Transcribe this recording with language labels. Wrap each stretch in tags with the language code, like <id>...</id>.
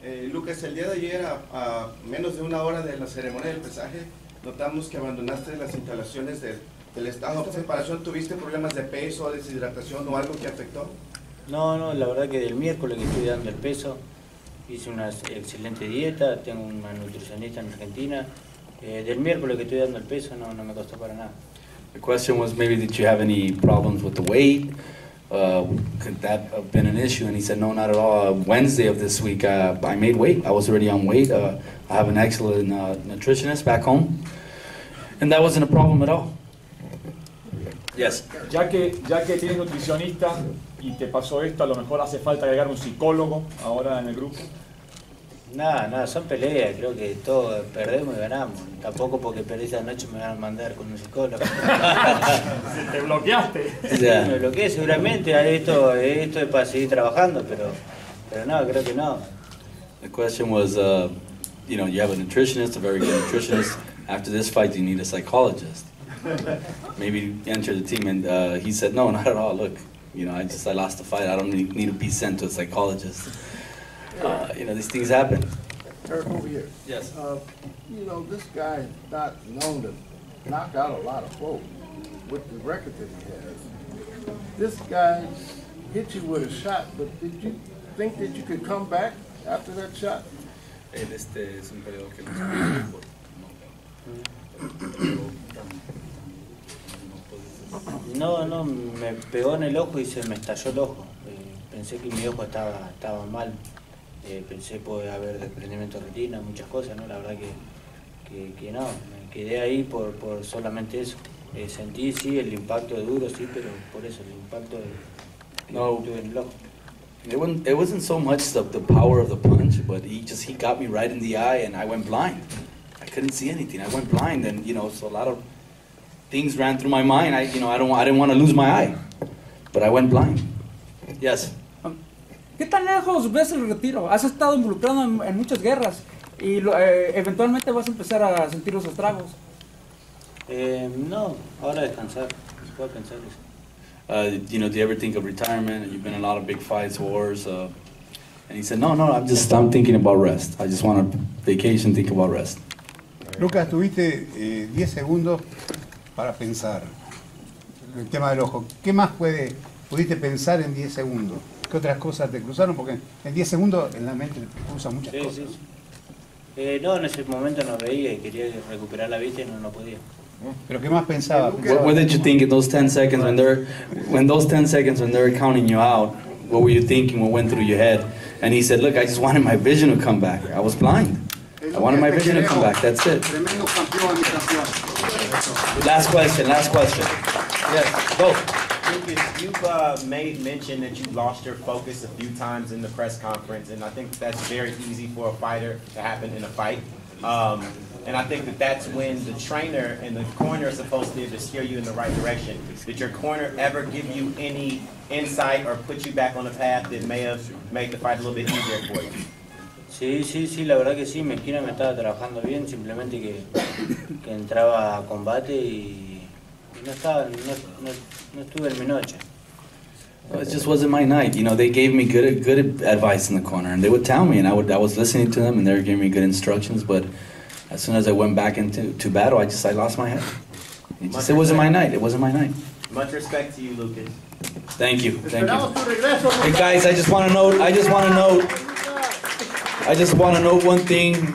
<es>Lucas, el día de ayer, a menos de una hora de la ceremonia del pesaje, notamos que abandonaste las instalaciones del estado de preparación. ¿Tuviste problemas de peso, deshidratación o algo que afectó? No, la verdad que del miércoles que estoy dando el peso, hice una excelente dieta, tengo una nutricionista en Argentina. Del miércoles que estoy dando el peso, no me costó para nada.</es> <en>The question was, maybe did you have any problems with the weight? Could that have been an issue? And he said, no, not at all. Wednesday of this week, I made weight. I was already on weight. I have an excellent nutritionist back home. And that wasn't a problem at all. Yes.</en> <es>Ya que tienes nutricionista y te pasó esto, a lo mejor hace falta agregar un psicólogo ahora en el grupo. Nada, son peleas, creo que todo perdemos y ganamos. Tampoco porque perdí esa noche me van a mandar con un psicólogo. ¿Te bloqueaste? Sí, yeah. Me bloqueé seguramente, esto es para seguir trabajando, pero no, creo que no.</es> <en>The question was, you know, you have a nutritionist, a very good nutritionist. After this fight, you need a psychologist. Maybe enter the team, and he said, no, not at all, look. You know, I lost the fight. I don't need to be sent to a psychologist. You know, these things happen. Eric, over here. Yes. You know, this guy, not known to knock out a lot of folk with the record that he has. This guy hit you with a shot, but did you think that you could come back after that shot?</en> <es>Él este es un peleador que no puede. No, me pegó en el ojo y se me estalló el ojo. Pensé que mi ojo estaba mal. Pensé puede haber desprendimiento de retina, muchas cosas, ¿no? La verdad que no, me quedé ahí por solamente eso. Sentí, sí, el impacto duro, sí, pero por eso, el impacto tuve en el ojo.</es> <en>It wasn't so much the power of the punch, but he got me right in the eye and I went blind. I couldn't see anything, I went blind, and you know, so a lot of things ran through my mind. I didn't want to lose my eye, but I went blind. Yes.</en> <es>¿Qué tan lejos ves el retiro? Has estado involucrado en muchas guerras y eventualmente vas a empezar a sentir los estragos. No, ahora descansar. Puedo pensar eso.</es> <en>You know, do you ever think of retirement? You've been in a lot of big fights, wars. And he said, no, I'm thinking about rest. I just want a vacation, think about rest.</en> <es>Lucas, tuviste 10 segundos para pensar el tema del ojo. ¿Qué más pudiste pensar en 10 segundos? ¿Qué otras cosas te cruzaron? Porque en 10 segundos en la mente cruzan muchas cosas. Sí. En ese momento no veía y quería recuperar la vista y no podía. ¿Pero qué más pensaba?</es> <en>What did you think in those 10 seconds when they're counting you out? What were you thinking? What went through your head? And he said, look, I just wanted my vision to come back. I was blind. I wanted my vision to come back. That's it.</en> <es>Tremendo campeón, mi campeón.</es> <en>Last question. Yes, go. Lucas, you've made mention that you lost your focus a few times in the press conference, and I think that's very easy for a fighter to happen in a fight. And I think that's when the trainer and the corner are supposed to be able to steer you in the right direction. Did your corner ever give you any insight or put you back on a path that may have made the fight a little bit easier for you?</en> <es>Sí, la verdad que sí, mi esquina me estaba trabajando bien, simplemente que entraba a combate y no estuve en mi noche.</es> <en>Well, it just wasn't my night, you know, they gave me good advice in the corner, and they would tell me, and I was listening to them, and they were giving me good instructions, but as soon as I went back into battle, I lost my head. It wasn't my night. Much respect to you, Lucas. Thank you. Hey guys, I just want to note one thing.</en>